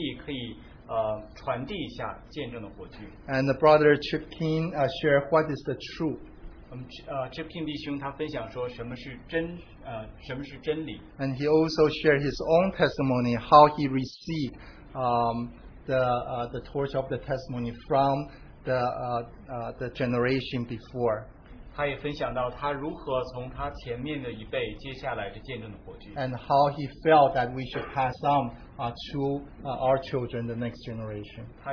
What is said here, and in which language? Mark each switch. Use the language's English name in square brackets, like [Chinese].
[Chinese] 最后一堂他也讲到如何竭力可以传递一下见证的火炬。 [English] And the brother Chip King shared what is the truth. [Chinese] Chip King 弟兄他分享说什么是真理。 [English] And he also shared his own testimony, how he received the torch of the testimony from the generation before. [Chinese] 他也分享到他如何从他前面的一辈接下来的见证的火炬。 [English] And how he felt that we should pass on to our children, the next generation.